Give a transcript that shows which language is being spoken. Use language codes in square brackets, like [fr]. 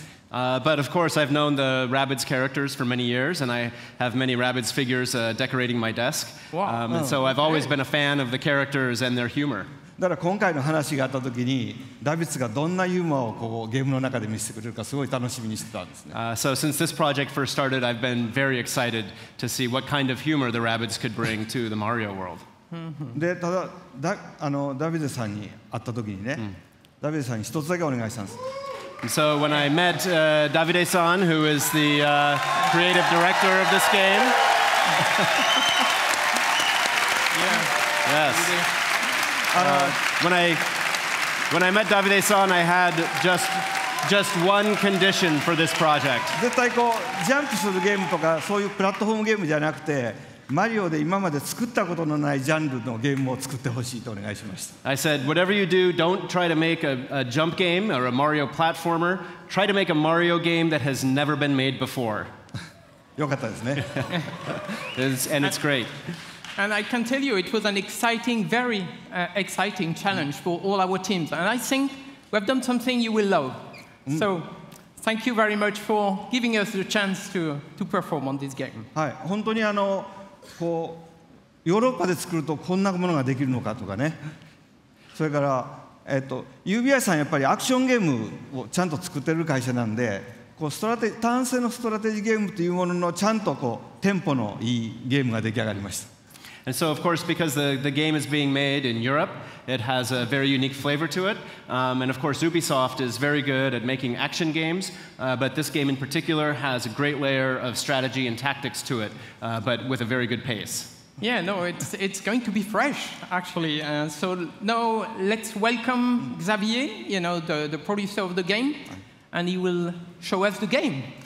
[en] But of course, I've known the Rabbids characters for many years, and I have many Rabbids figures decorating my desk. Wow. And so I've always been a fan of the characters and their humor. [ja] だから今回の話があった時に、ダビッツがどんなユーモアをこうゲームの中で見せてくれるかすごい楽しみにしてたんですね。 [en] So since this project first started, I've been very excited to see what kind of humor the Rabbids could bring to the Mario world. [ja] で、ただ、だ、あの、ダビッツさんに会った時にね、ダビッツさんに一つだけお願いしたんです。 [en] So when I met Davide-san, who is the creative director of this game. Yeah. Yes. When I met Davide-san, I had just one condition for this project. [ja] 絶対こうジャンプするゲームとかそういうプラットフォームゲームじゃなくて、マリオで今まで作ったことのないジャンルのゲームを作ってほしいとお願いしました。 [en] I said, whatever you do, don't try to make a jump game or a Mario platformer. Try to make a Mario game that has never been made before. [ja] よかったですね。 [en] And it's great. And I can tell you, it was an exciting, very exciting challenge for all our teams. And I think we have done something you will love. So, thank you very much for giving us the chance to perform on this game. [ja] はい、本当にあの、こうヨーロッパで作るとこんなものができるのかとかね。それから、UBI さんやっぱりアクションゲームをちゃんと作ってる会社なんで、こうストラテ単線のストラテジーゲームというもののちゃんとこうテンポのいいゲームが出来上がりました。 [en] And so, of course, because the game is being made in Europe, it has a very unique flavor to it. And of course, Ubisoft is very good at making action games, but this game in particular has a great layer of strategy and tactics to it, but with a very good pace. Yeah, no, it's going to be fresh, actually. So now let's welcome Xavier, you know, the producer of the game, and he will show us the game.